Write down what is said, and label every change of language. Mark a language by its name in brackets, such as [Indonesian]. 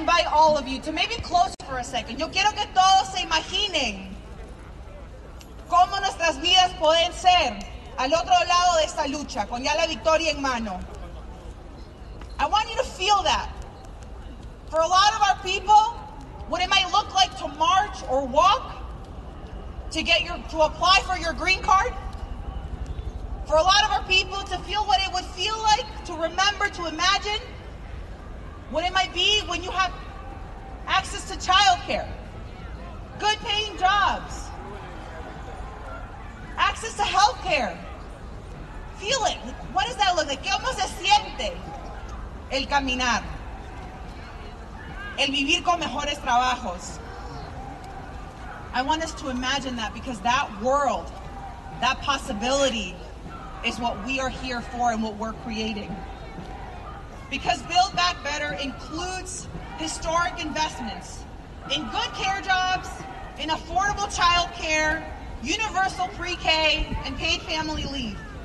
[English] All of you to maybe close for a second. [Spanish] Yo quiero que todos se imaginen cómo nuestras vidas pueden ser al otro lado de esta lucha, con ya la victoria en mano. [English] I want you to feel that. For a lot of our people, what it might look like to march or walk to get your to apply for your green card. For a lot of our people to feel what it would feel like to remember, to imagine what it might be when you have access to childcare, good paying jobs, access to healthcare. Feel it. What does that look like? [Spanish] ¿Qué cómo se siente el caminar? El vivir con mejores trabajos. [English] I want us to imagine that because that world, that possibility is what we are here for and what we're creating. Because Build Back Better includes historic investments in good care jobs, in affordable child care, universal pre-K, and paid family leave.